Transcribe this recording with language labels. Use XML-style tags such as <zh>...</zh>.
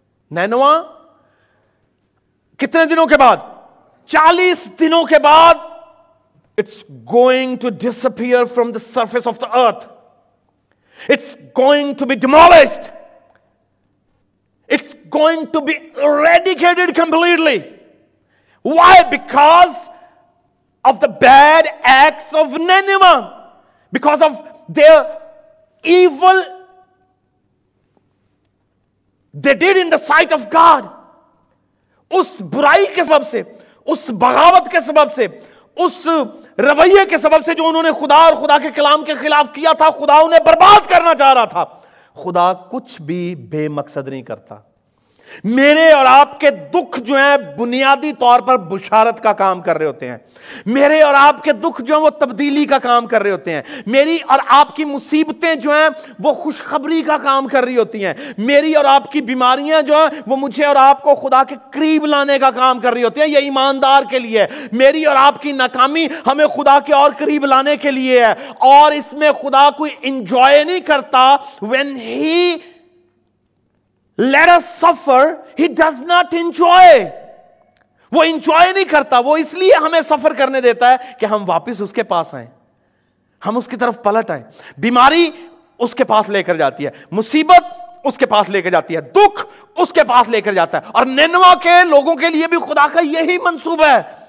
<hi>नैनवा कितने दिनों के बाद? 40 दिनों के बाद</hi> <en>It's going to disappear from the surface of the earth, it's going to be demolished, it's going to be eradicated completely. Why? Because of the bad acts of Nineveh, because of their evil they did in the sight of God.</en> <hi>Us burai ke sabab se, us bagawat ke sabab se, us ravaiye ke sabab se jo unhone khuda aur khuda ke kalam ke khilaf kiya tha, khuda unhe barbaad karna cha raha tha. Khuda kuch bhi bemaksad nahi karta. मेरे और आपके दुख जो है बुनियादी तौर पर बुशारत का काम कर रहे होते हैं, मेरे और आपके दुख जो है वो तब्दीली का काम कर रहे होते हैं, मेरी और आपकी मुसीबतें जो हैं वो खुशखबरी का काम कर रही होती हैं, मेरी और आपकी बीमारियां जो हैं वो मुझे और आपको खुदा के करीब लाने का काम कर रही होती हैं, ये ईमानदार के लिए है। मेरी और आपकी नाकामी हमें खुदा के और करीब लाने के लिए है, और इसमें खुदा कोई इंजॉय नहीं करता।</hi> <en>When he Let us suffer, he does not enjoy.</en> <hi>वो enjoy नहीं करता, वो इसलिए हमें सफर करने देता है कि हम वापिस उसके पास आए, हम उसकी तरफ पलट आए। बीमारी उसके पास लेकर जाती है, मुसीबत उसके पास लेकर जाती है, दुख उसके पास लेकर जाता है। और नैनवा के लोगों के लिए भी खुदा का यही मंसूबा है।</hi>